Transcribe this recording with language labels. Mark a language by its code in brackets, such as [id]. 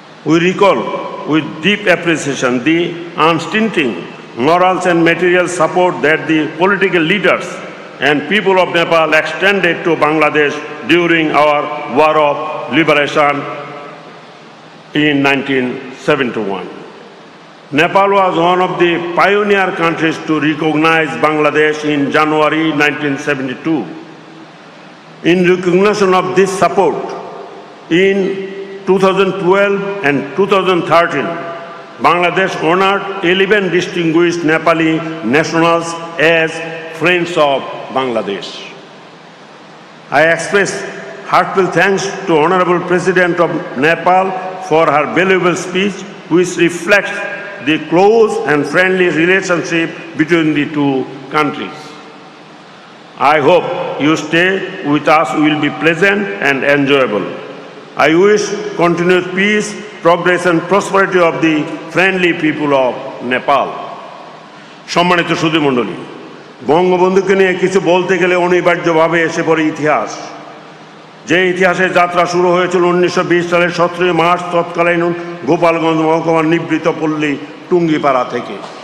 [en] We recall with deep appreciation the unstinting morals and material support that the political leaders and people of Nepal extended to Bangladesh during our war of liberation in 1971। Nepal was one of the pioneer countries to recognize Bangladesh in January 1972। In recognition of this support in 2012 and 2013, Bangladesh honored 11 distinguished Nepali nationals as Friends of Bangladesh. I express heartfelt thanks to Honorable President of Nepal for her valuable speech, which reflects the close and friendly relationship between the two countries. I hope your stay with us will be pleasant and enjoyable. I wish continuous peace, progress and prosperity of the friendly people of Nepal. [bn] সম্মানিত শ্রোতা মণ্ডলী, বঙ্গবন্ধুকে নিয়ে কিছু বলতে গেলে অনিবার্যভাবে এসে পড়ে ইতিহাস। যে ইতিহাসের যাত্রা শুরু হয়েছিল 1920 সালের 17 মার্চ তৎকালীন গোপালগঞ্জ মহকুমার নিবৃত পল্লী টুঙ্গিপাড়া থেকে।